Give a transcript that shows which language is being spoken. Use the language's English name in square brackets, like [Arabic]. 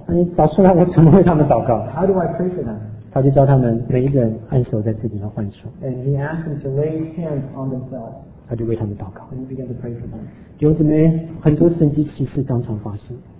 [Chinese] 那你找出来，我怎么为他们祷告 [English] ？How do I pray for them? [Chinese] 他就叫他们每一个人按手在自己的患处。 [English] And he asked them to lay hands on themselves. [Chinese] 他就为他们祷告。 [English] And he began to pray for them. [Chinese] 弟兄姊妹，很多神迹奇事当场发生。